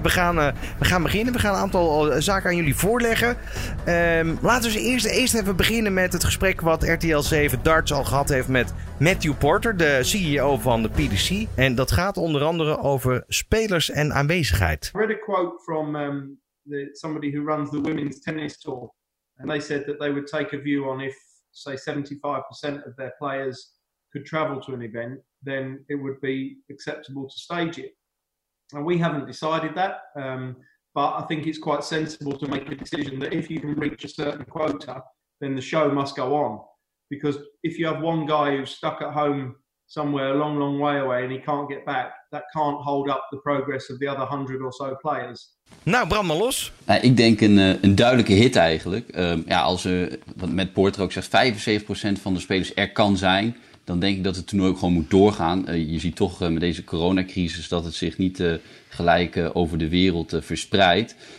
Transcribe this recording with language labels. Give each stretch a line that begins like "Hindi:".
Dutch: We gaan beginnen. We gaan een aantal zaken aan jullie voorleggen. Laten we eerst even beginnen met het gesprek wat RTL 7 Darts al gehad heeft met Matthew Porter, de CEO van de PDC. En dat gaat onder andere over spelers en aanwezigheid.
English: Ik read a quote from somebody who runs the women's tennis tour. And they said that they would take a view on if, say, 75% of their players could travel to an event, then it would be acceptable to stage it. And we haven't decided that, but I think it's quite sensible to make a decision that if you can reach a certain quota, then the show must go on. Because if you have one guy who's stuck at home somewhere a long, long way away and he can't get back, that can't hold up the progress of the other 100 or so players.
Dutch: Nou, brand maar los. Ik denk een duidelijke hit eigenlijk. Ja, als er, wat Matt Porter ook zegt, 75% van de spelers er kan zijn, dan denk ik dat het toernooi ook gewoon moet doorgaan. Je ziet toch met deze coronacrisis dat het zich niet gelijk over de wereld verspreidt.